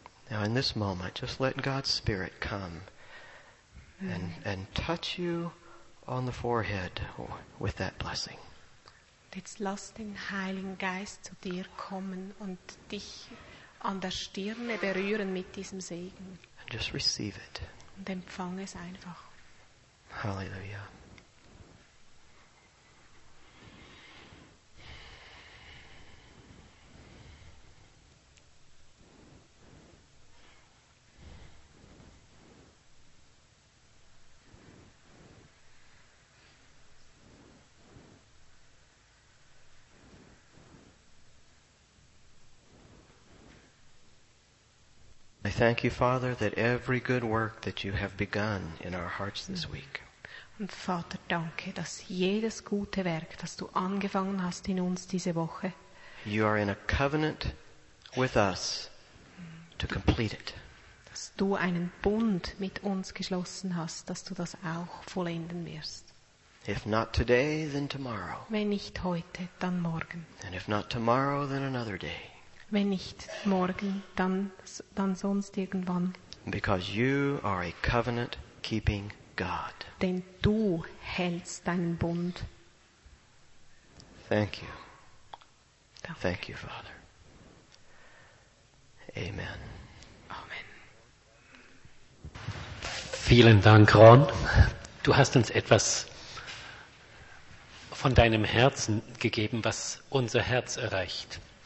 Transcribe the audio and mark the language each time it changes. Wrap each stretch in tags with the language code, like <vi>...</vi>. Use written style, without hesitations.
<en>Now in this moment, just let God's Spirit come. And touch you on the forehead with that blessing.</en> <de>Jetzt lass den Heiligen Geist zu dir kommen und dich an der Stirne berühren mit diesem Segen.</de> <en>And just receive it.</en> <de>Und empfange es einfach. Halleluja.</de> <en>Thank you, Father, that every good work that you have begun in our hearts this week.</en> <de>Und Vater, danke, dass jedes gute Werk, das du angefangen hast in uns diese Woche.</de> <en>You are in a covenant with us to complete it.</en> <de>Dass du einen Bund mit uns geschlossen hast, dass du das auch vollenden wirst.</de> <en>If not today, then tomorrow.</en> <de>Wenn nicht heute, dann morgen.</de> <en>And if not tomorrow, then another day.</en> <de>Wenn nicht morgen, dann sonst irgendwann.</de> <en>Because you are a covenant-keeping God.</en> <de>Denn du hältst deinen Bund.</de> <en>Thank you.</en> <de>Danke.</de> <en>Thank you, Father. Amen. Amen.</en> <de>Vielen Dank, Ron. Du hast uns etwas von deinem Herzen gegeben, was unser Herz erreicht.</de>